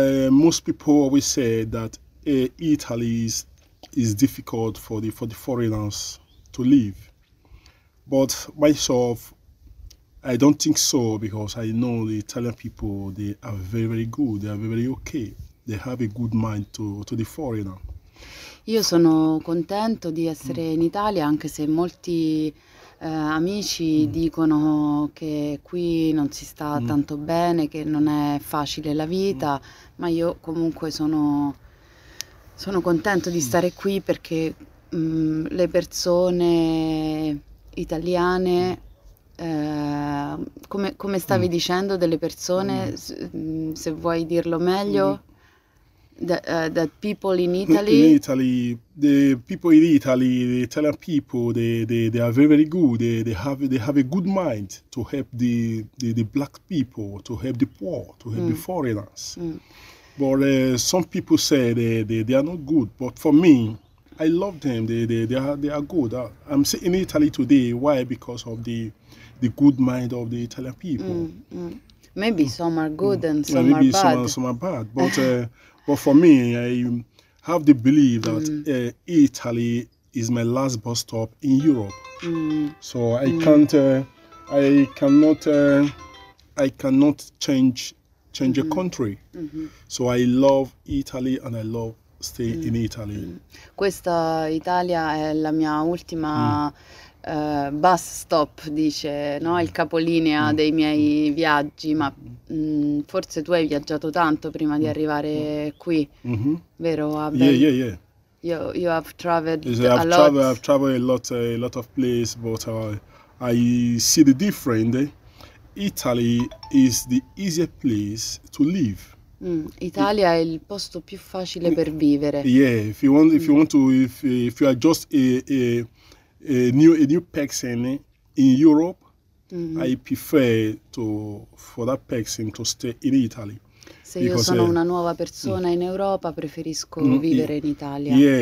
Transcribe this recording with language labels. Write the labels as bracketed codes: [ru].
[en] Most people always say that Italy is difficult for the foreigners to live. But myself, I don't think so because I know the Italian people, they are very, very good. They are very, very okay. They have a good mind to the foreigner. [it] Io sono contento di essere in Italia, anche se molti amici dicono che qui non si sta tanto bene, che non è facile la vita, ma io comunque sono contento di stare qui perché le persone italiane, come stavi dicendo, delle persone, se vuoi dirlo meglio... [en] That people in Italy. In Italy, the people in Italy, the Italian people, they are very very good. They have a good mind to help the black people, to help the poor, to help the foreigners. But some people say they are not good. But for me, I love them. They are good. I'm sitting in Italy today. Why? Because of the good mind of the Italian people. Maybe some are good and some maybe are bad. Some are bad, but. But for me, I have the belief that Italy is my last bus stop in Europe. So I cannot change change a country. So I love Italy and I love stay in Italy. [it] Questa Italia è la mia ultima [en] bus stop, [it] dice, no? Il capolinea dei miei viaggi, ma forse tu hai viaggiato tanto prima di arrivare qui, vero Abel? [en] You have traveled Yeah. a I've lot. traveled a lot of places, but I see the difference. Italy is the easiest place to live. [it] Italia è il posto più facile per vivere. [en] If you want to, if you are just a new person in Europe, I prefer to for that person to stay in Italy [it] Se io [en] because [it] sono una nuova persona in Europa, preferisco vivere in Italia.